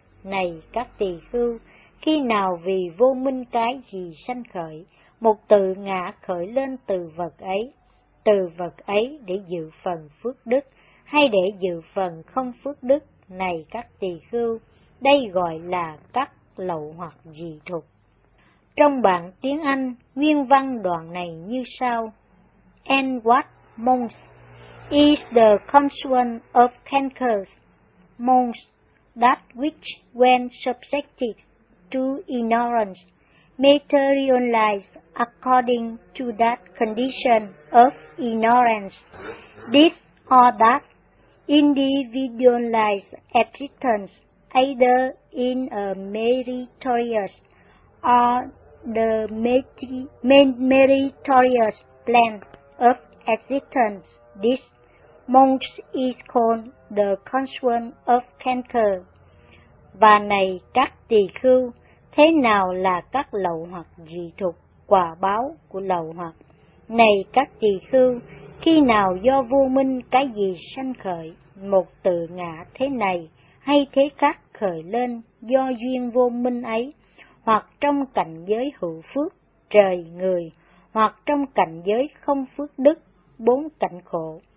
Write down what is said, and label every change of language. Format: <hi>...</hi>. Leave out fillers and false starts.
<vi>Này các tỳ khưu, khi nào vì vô minh cái gì sanh khởi, một tự ngã khởi lên từ vật ấy. Từ vật ấy để dự phần phước đức, hay để dự phần không phước đức, này các tỳ khưu, đây gọi là các lậu hoặc dị thục. Trong bản tiếng Anh, nguyên văn đoạn này như sau.</vi> <en>And what monks is the consequence of cankers? Monks, that which when subjected to ignorance, materialize according to that condition of ignorance, this or that individualized existence, either in a meritorious or the meritorious plan of existence, this monk is called the consequence of canker.</en> <vi>Và này các tỳ khưu, thế nào là các lậu hoặc dị thục, quả báo của lậu hoặc? Này các tỳ khưu, khi nào do vô minh cái gì sanh khởi, một tự ngã thế này hay thế khác khởi lên do duyên vô minh ấy, hoặc trong cảnh giới hữu phước trời người, hoặc trong cảnh giới không phước đức bốn cảnh khổ?</vi>